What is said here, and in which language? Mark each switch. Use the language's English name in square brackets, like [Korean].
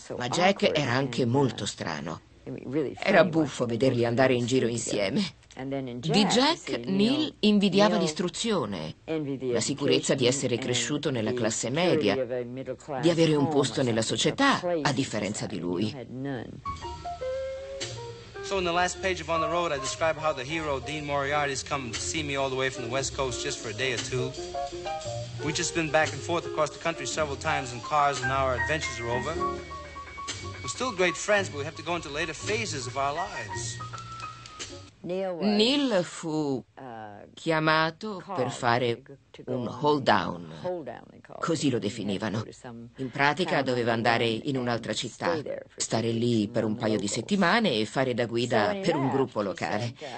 [Italian] Ma Jack era anche molto strano. Era buffo vederli andare in giro insieme. Di Jack, Neil invidiava l'istruzione, la sicurezza di essere cresciuto nella classe media, di avere un posto nella società, a differenza di lui. [English] So in the last page of On the Road, I describe how the hero Dean Moriarty has come to see me all the way from the West Coast just for a day or two. We've just been back and forth across the country several times in cars, and now our adventures are over. We're still great friends, but we have to go into later phases of our lives. [Italian] Neil fu chiamato per fare un hold down, così lo definivano. In pratica doveva andare in un'altra città, stare lì per un paio di settimane e fare da guida per un gruppo locale.